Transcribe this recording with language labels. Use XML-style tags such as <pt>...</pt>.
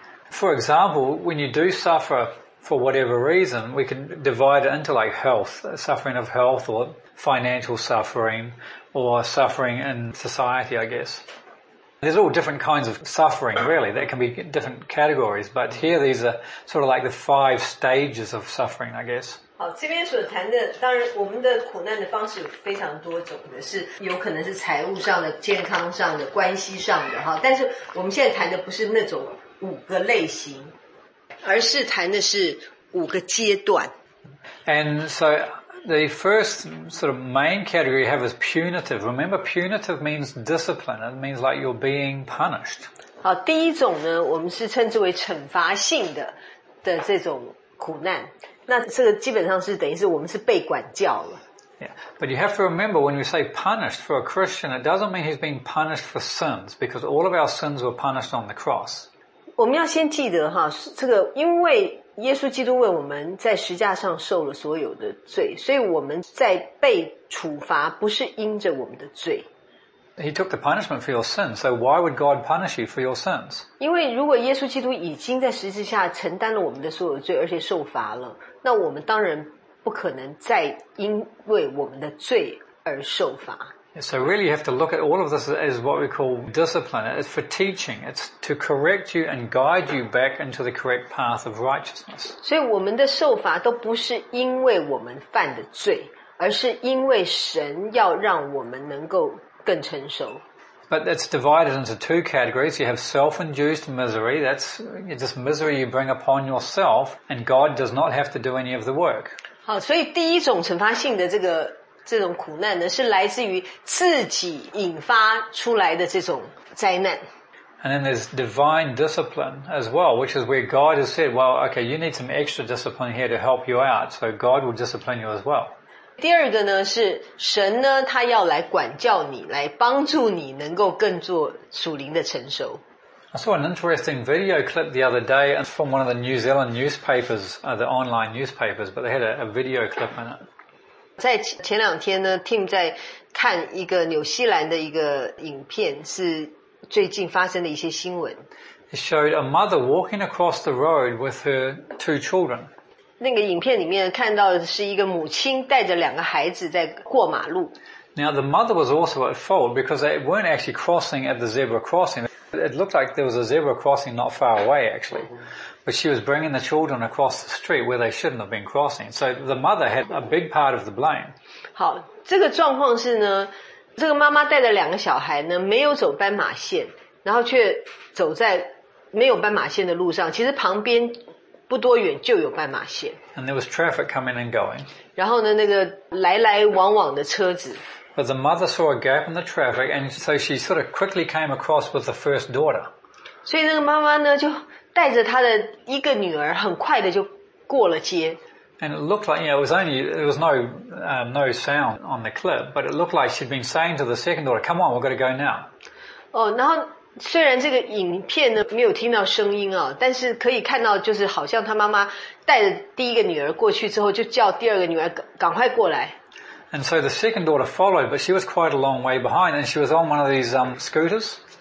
<en>For example, when you do suffer for whatever reason, we can divide it into like health, suffering of health or financial suffering or suffering in society, I guess. There's all different kinds of suffering, really. There can be different categories, but here these are sort of like the five stages of suffering, I guess.</en> <zh>好，这边所谈的，当然我们的苦难的方式有非常多种的，是有可能是财务上的、健康上的、关系上的哈。但是我们现在谈的不是那种五个类型，而是谈的是五个阶段。</zh> <en>And so the first sort of main category you have is punitive. Remember, punitive means discipline. It means like you're being punished.</en> <zh>好，第一种呢，我们是称之为惩罚性的这种苦难。那这个基本上是等于是我们是被管教了。</zh> <en>Yeah, but you have to remember when we say punished for a Christian, it doesn't mean he's being punished for sins, because all of our sins were punished on the cross.</en> <zh>我们要先记得哈，这个因为耶稣基督为我们在十架上受了所有的罪，所以我们在被处罚不是因着我们的罪。</zh> <en>He took the punishment for your sins, so why would God punish you for your sins?</en> <zh>因为如果耶稣基督已经在十字架承担了我们的所有罪，而且受罚了，那我们当然不可能再因为我们的罪而受罚。</zh> <en>So really you have to look at all of this as what we call discipline. It's for teaching. It's to correct you and guide you back into the correct path of righteousness.</en> <zh>所以我们的受罚都不是因为我们犯的罪，而是因为神要让我们能够更成熟。</zh> <en>But that's divided into two categories. You have self-induced misery. That's just misery you bring upon yourself, and God does not have to do any of the work.</en> <zh>好，所以第一种惩罚性的这种苦难呢，是来自于自己引发出来的这种灾难。</zh> <en>And then there's divine discipline as well, which is where God has said, well, okay, you need some extra discipline here to help you out, so God will discipline you as well.</en> <zh>第二个呢，是神呢，他要来管教你，来帮助你能够更做属灵的成熟。</zh> <en>I saw an interesting video clip the other day from one of the New Zealand newspapers, the online newspapers, but they had a video clip in it.</en> <zh>在前两天呢 ，Tim 在看一个纽西兰的一个影片，是最近发生的一些新闻。</zh> <en>It showed a mother walking across the road with her two children.</en> <zh>那个影片里面看到的是一个母亲带着两个孩子在过马路。</zh> <en>Now the mother was also at fault because they weren't actually crossing at the zebra crossing. It looked like there was a zebra crossing not far away actually. But she was bringing the children across the street where they shouldn't have been crossing. So the mother had a big part of the blame.</en> <zh>好，这个状况是呢，这个妈妈带着两个小孩呢，没有走斑马线，然后却走在没有斑马线的路上。其实旁边不多远就有斑马线。</zh> <en>And there was traffic coming and going.</en> <zh>然后呢，那个来来往往的车子。</zh> <en>But the mother saw a gap in the traffic, and so she sort of quickly came across with the first daughter.</en> <zh>所以那个妈妈呢，就带着她的一个女儿，很快的就过了街。</zh> <en>And it looked like, you know, there was no sound on the clip, but it looked like she'd been saying to the second daughter, "Come on, we've got to go now."</en> <zh>哦，然后虽然这个影片呢没有听到声音啊，但是可以看到，就是好像她妈妈带着第一个女儿过去之后，就叫第二个女儿赶快过来。</zh> <en>And so the second daughter followed, but she was quite a long way behind, and she was on one of these scooters.</en>